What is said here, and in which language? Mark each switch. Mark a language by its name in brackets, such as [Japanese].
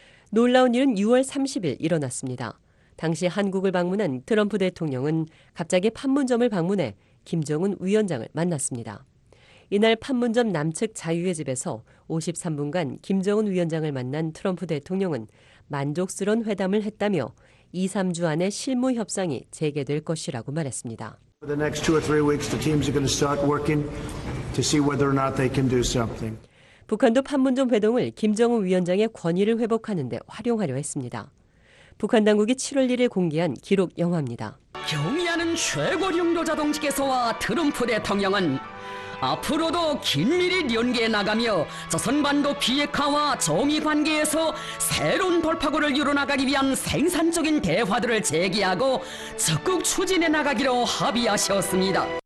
[Korean] 놀라운 일은 6월 30일 일어났습니다. 당시 한국을 방문한 트럼프 대통령은 갑자기 판문점을 방문해 김정은 위원장을 만났습니다. 이날 판문점 남측 자유의 집에서 53분간 김정은 위원장을 만난 트럼프 대통령은 만족스러운 회담을 했다며 2, 3주 안에 실무 협상이 재개될 것이라고 말했습니다. [English] For the next two or three weeks, the teams are going to start working to see whether or not they can do something. [Korean] 북한도 판문점 회동을 김정은 위원장의 권위를 회복하는 데 활용하려 했습니다. 북한 당국이 7월 1일 공개한 기록 영화입니다. 경애하는 최고 영도자 동지께서와 트럼프 대통령은 앞으로도 긴밀히 연계해 나가며 조선반도 비핵화와 조미 관계에서 새로운 돌파구를 이뤄나가기 위한 생산적인 대화들을 제기하고 적극 추진해 나가기로 합의하셨습니다.